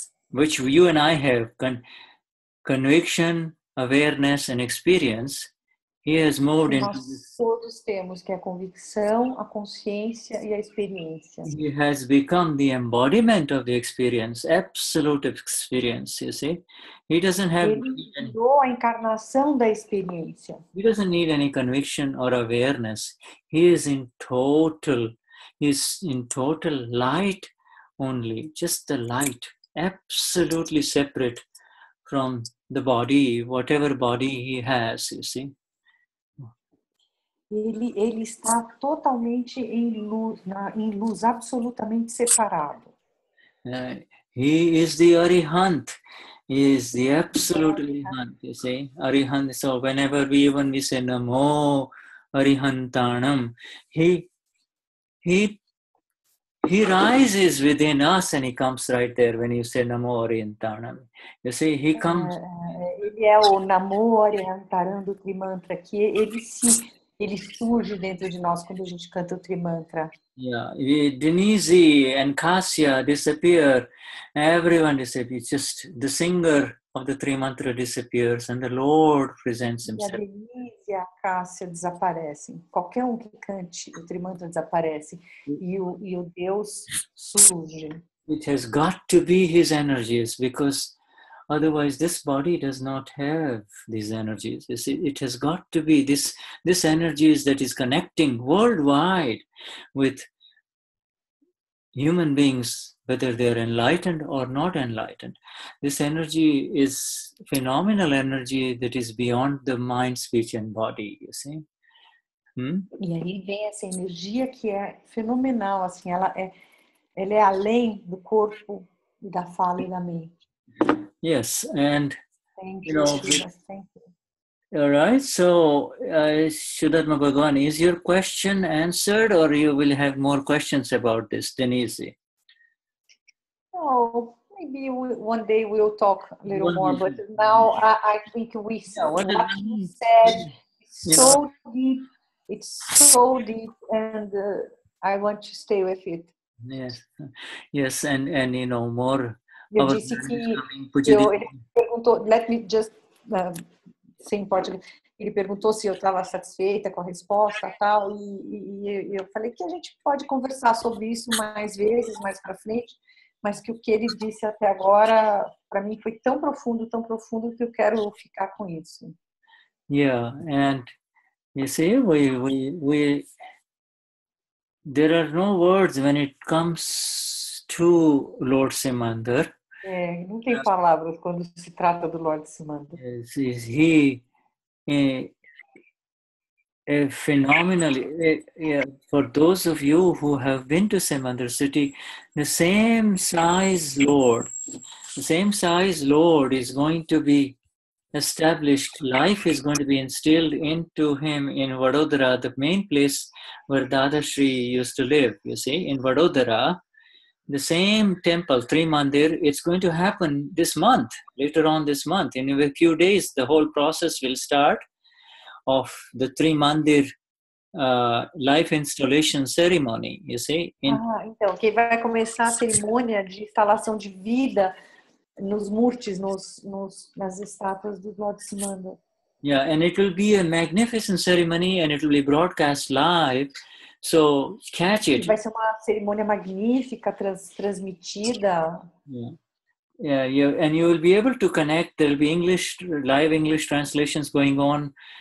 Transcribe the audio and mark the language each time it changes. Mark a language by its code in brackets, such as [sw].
[en] which you and I have, conviction, awareness, and experience. He has moved into [pt] todos temos, que é a convicção, a consciência e a experiência. [en] He has become the embodiment of the experience, absolute experience, you see. He doesn't have [pt] a encarnação da experiência. [en] He doesn't need any conviction or awareness. He is in total light only, just the light, absolutely separate from the body, whatever body he has, you see. [pt] Ele está totalmente em luz, absolutamente separado. [en] He is the Arihant. He is the absolute Arihant, you see. Arihant, so whenever we say Namo Arihantanam, he rises within us and he comes right there when you say Namo Arihantanam. You see, he comes... [pt] Ele é o Namo Arihantanam do Trimantra, que ele se... Ele surge dentro de nós quando a gente canta o Trimantra. [en] Yeah, Denise and Cassia disappear. Everyone disappears. Just the singer of the Trimantra disappears and the Lord presents himself. [pt] E a Denise e a Cassia desaparecem. Qualquer um que cante o Trimantra desaparece. E o Deus surge. [en] It has got to be his energies because otherwise, this body does not have these energies. You see, it has got to be this energies that is connecting worldwide with human beings, whether they are enlightened or not enlightened. This energy is phenomenal energy that is beyond the mind, speech, and body, you see. [pt] E aí vem essa energia que é fenomenal, assim, ela é além do corpo, da fala e da mente. [en] Yes, and thank you, know, Jesus, thank you. All right, so Sridharma Bhagavan, is your question answered or you will have more questions about this, Denise? Oh, maybe one day we'll talk a little one more, but now I think we said so deep, it's so deep, and I want to stay with it. Yes, and you know, more. [pt] Eu disse que ele perguntou, [en] let me just say in Portuguese. [pt] Ele perguntou se eu estava satisfeita com a resposta tal, e eu falei que a gente pode conversar sobre isso mais vezes, mais para frente, mas que o que ele disse até agora, para mim, foi tão profundo, que eu quero ficar com isso. [en] Yeah, and you see, we there are no words when it comes to Lord Simandar. [pt] É, não tem palavras quando se trata do Lord Simandar. [en] Is he a phenomenal, for those of you who have been to Simandar city, the same size Lord, the same size Lord is going to be established, life is going to be instilled into him in Vadodara, the main place where Dada Shri used to live, you see, in Vadodara. The same temple, three mandir, it's going to happen this month, later on this month. In a few days, the whole process will start of the three mandir life installation ceremony, you see. [pt] Então, que vai começar a cerimônia de instalação de vida nos murtis, nas estátuas do Lord Simandar. [en] Yeah, and it will be a magnificent ceremony and it will be broadcast live. So catch it. [pt] Vai ser uma cerimônia magnífica, transmitida. [en] Yeah. Yeah, and you will be able to connect. There will be English, live English translations going on.